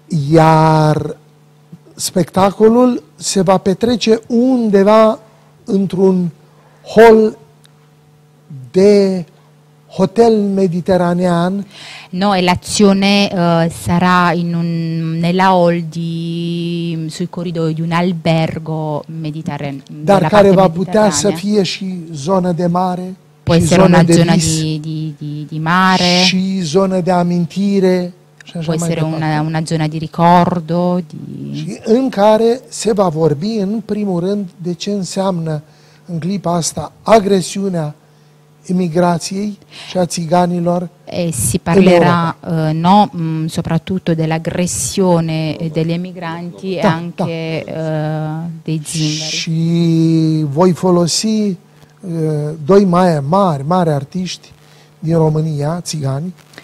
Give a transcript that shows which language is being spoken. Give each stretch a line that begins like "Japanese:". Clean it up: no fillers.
Romanian: Iar spectacolul se va petrece undeva într-un hol de hotel mediteranean.
Italian: No, e l'azione sarà nella hall di sui corridoi di un albergo mediterraneo.
Romanian: Dar care va putea să fie și zona de mare?
Italian: Può essere una zona di mare.
Romanian: Și zona de amintire.
Italian: Può essere una zona di ricordo di
Romanian: în care se va vorbi în primul rând de ce înseamnă în clipa asta agresiunea emigrației și a țiganilor.
Italian: Si parlerà no soprattutto dell'aggressione degli emigranti e anche dei zingari.
Romanian: Și voi folosi doi mari artiști din România, țigani.